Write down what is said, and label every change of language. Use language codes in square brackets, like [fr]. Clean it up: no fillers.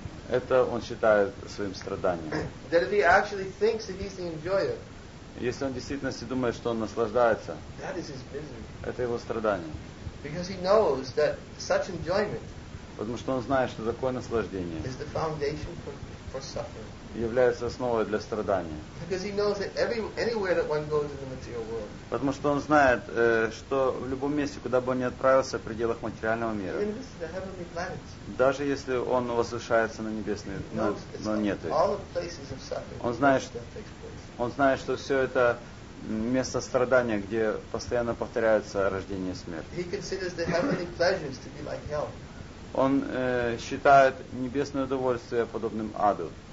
[ru] Это он считает своим страданием. Если он в действительности думает, что он наслаждается, это его страдание. [en] Because he knows that such enjoyment, [ru] потому что он знает, что такое наслаждение, [en] is the foundation for suffering. [ru] Является основой для страдания. [en] Because he knows that anywhere that one goes in the material world. [ru] Потому что он знает, что в любом месте, куда бы он ни отправился, в пределах материального мира. [en] Even if it's the heavenly planets. [ru] Даже если он возвышается на небесные, но нет. [en] All the places of suffering. [ru] Он знает, что все это место страдания, где постоянно повторяются рождение и смерть. [en] He considers the heavenly pleasures to be like hell. [ru] Он считает небесное удовольствие подобным аду.